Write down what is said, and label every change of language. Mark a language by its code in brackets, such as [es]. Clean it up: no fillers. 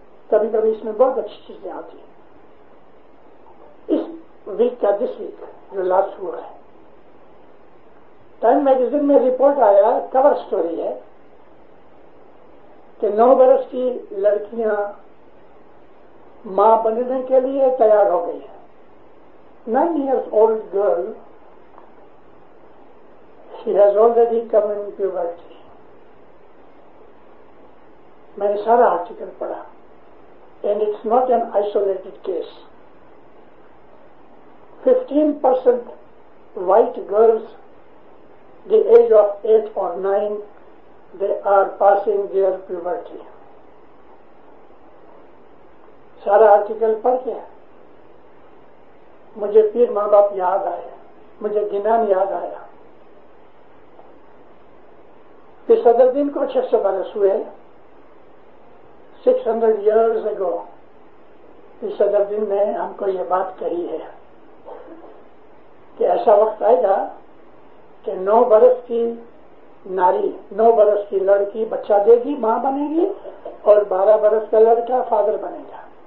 [ur] کبھی کبھی اس میں بہت اچھی چیزیں آتی ہیں. اس ویک کا, [en] this week جو last [ur] ہوا ہے, ٹائم میگزین میں رپورٹ آیا, کور سٹوری ہے, کہ 9 برس کی لڑکیاں ماں بننے کے لیے تیار ہو گئی ہیں. [en] 9 years old girl, she has already come in puberty. [ur] میں نے سارا آرٹیکل پڑھا, [en] and it's not an isolated case. 15% white girls the age of 8 or 9, they are passing their puberty. [ur] سارا آرٹیکل پڑھ کے مجھے پیر ماں باپ یاد آئے, مجھے گنان یاد آیا. پھر صدر دین کو 600 برس ہوئے, [en] 600 years ago [ur] صدر دین نے ہم کو یہ بات کہی ہے کہ ایسا وقت آئے گا کہ 9 برس کی ناری, 9 برس کی لڑکی بچہ دے گی, ماں بنے گی, اور 12 برس کا لڑکا فادر بنے گا.